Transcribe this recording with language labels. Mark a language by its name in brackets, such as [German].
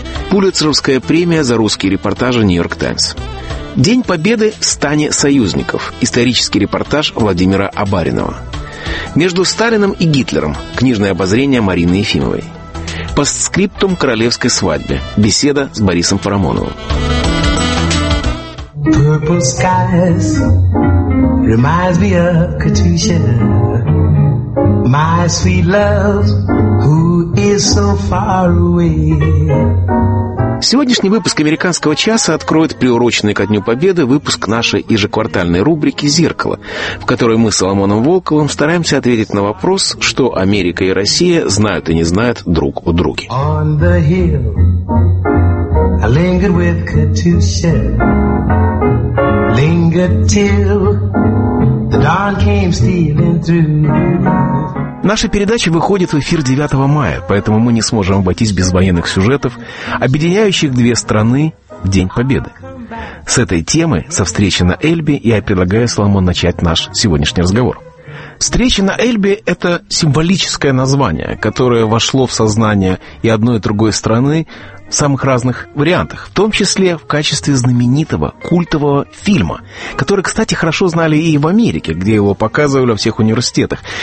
[Russian] Пулитцеровская премия за русские репортажи «Нью-Йорк Таймс». День Победы в стане союзников. Исторический репортаж Владимира Абаринова. Между Сталином и Гитлером. Книжное обозрение Марины Ефимовой. Постскриптум королевской свадьбе. Беседа с Борисом Парамоновым. [English] Purple skies reminds me of Katusha, my sweet love, who is so far away. [Russian] Сегодняшний выпуск «Американского часа» откроет приуроченный ко Дню Победы выпуск нашей ежеквартальной рубрики «Зеркало», в которой мы с Соломоном Волковым стараемся ответить на вопрос, что Америка и Россия знают и не знают друг о друге. [English] On the hill, I lingered with Katusha, lingered till the dawn came stealing through. [Russian] Наша передача выходит в эфир 9 мая, поэтому мы не сможем обойтись без военных сюжетов, объединяющих две страны в День Победы. С этой темы, со встречи на Эльбе, я предлагаю Соломону начать наш сегодняшний разговор. Встреча на Эльбе – это символическое название, которое вошло в сознание и одной, и другой страны в самых разных вариантах, в том числе в качестве знаменитого культового фильма, который, кстати, хорошо знали и в Америке, где его показывали во всех университетах.